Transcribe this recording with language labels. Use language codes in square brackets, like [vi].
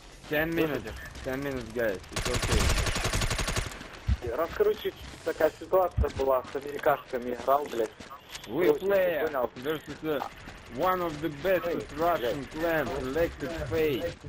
[en] Ten minutes, guys, it's okay. [ru] Раз, короче, такая ситуация была, с американцами играл, блядь. [en] We play versus one of the best Russian clans, elected fate.